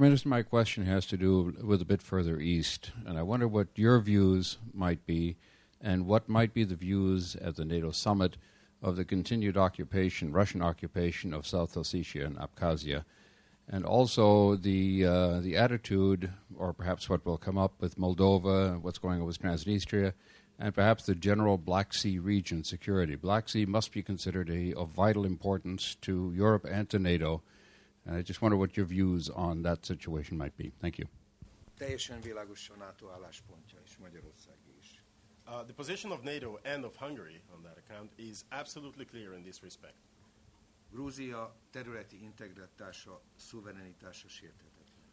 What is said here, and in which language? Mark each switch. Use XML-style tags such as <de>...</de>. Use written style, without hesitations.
<en>Minister, my question has to do with a bit further east, and I wonder what your views might be and what might be the views at the NATO summit of the continued occupation, Russian occupation of South Ossetia and Abkhazia, and also the attitude, or perhaps what will come up with Moldova, what's going on with Transnistria, and perhaps the general Black Sea region security. Black Sea must be considered of vital importance to Europe and to NATO. And I just wonder what your views on that situation might be. Thank you.</en> <hu>Teljesen világos a NATO álláspontja és Magyarország is.</hu> <en>The position of NATO and of Hungary on that account is absolutely clear in this respect.</en> <hu>Grúzia területi integritása, szuverenitása sértetett.</hu>